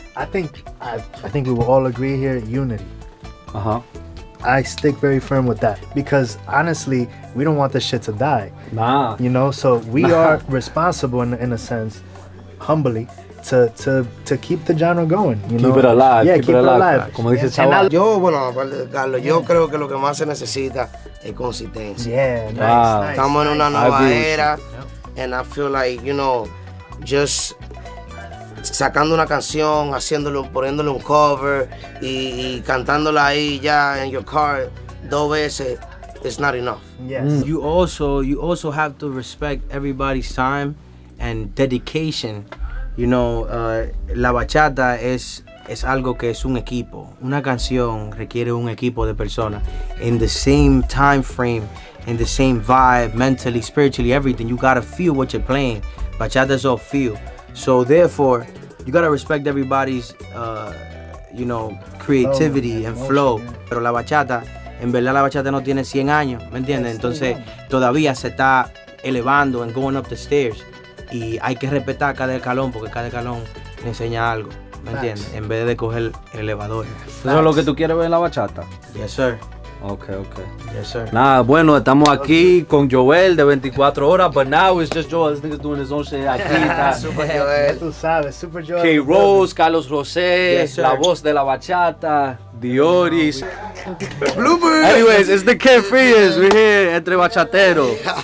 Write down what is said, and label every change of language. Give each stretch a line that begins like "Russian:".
English: I think we will all agree here, unity. Uh-huh. I stick very firm with that because honestly, we don't want this shit to die. Nah. You know, so we are responsible in a sense, humbly, to keep the genre going. You keep know? It alive. Yeah, keep it alive.
Spanish: Como dice Chaval. Yo, bueno, Carlos, yo creo que lo que más se necesita es consistencia.
English: Yeah, nice. Wow.
Spanish: Estamos en una nueva era,
English: and I feel like, you know, just
Spanish: sacando una canción, haciéndolo, poniéndole un cover y cantándola ahí ya
English: in your car
Spanish: dos veces,
English: it's not enough. Yes. Mm. You also have to respect everybody's time and dedication. You know,
Spanish: la bachata es algo que es un equipo. Una canción requiere un equipo de personas.
English: In the same time frame, in the same vibe, mentally, spiritually, everything. You gotta feel what you're playing. Bachata is all feel. So therefore, you gotta respect everybody's, you know, creativity and flow.
Spanish: Pero la bachata, en verdad la bachata no tiene 100 años, ¿me entiendes? Entonces, todavía se está elevando
English: and going up the stairs.
Spanish: Y hay que respetar cada escalón, porque cada escalón le enseña algo, ¿me entiendes? En vez de coger el elevador. ¿Eso es lo que tú quieres ver en la bachata?
English: Yes, sir. Okay. Yes, sir. Nah,
Spanish: bueno, estamos aquí con Joel de 24 horas,
English: but now it's just Joel. This nigga's doing his own shit.
Spanish: Aquí está. Super Joel. Tú sabes, Super Joel. Kay Rose, Karlos Rose, yes, la voz de la bachata, Dioris.
English: Bloopers! Anyways, it's the Kid Frias. We're here, Entre Bachateros.